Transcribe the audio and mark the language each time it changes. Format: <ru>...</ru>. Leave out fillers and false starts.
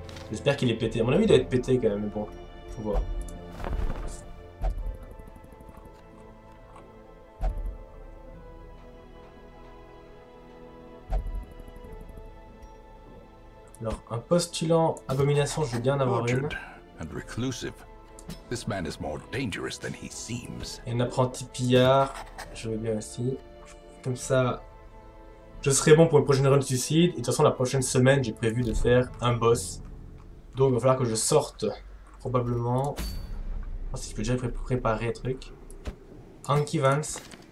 <fr>J'espère qu'il est pété, à mon avis il doit être pété quand même, mais bon, faut voir. Alors, un postulant abomination, je veux bien en avoir une.</fr> <en>And reclusive. This man is more dangerous than he seems.</en> <fr>Et un apprenti pillard, je veux bien aussi. Comme ça, je serai bon pour le prochain run suicide. Et de toute façon, la prochaine semaine, j'ai prévu de faire un boss. Donc, il va falloir que je sorte, probablement. Je pense que je peux déjà préparer un truc. Anki Vance.</fr>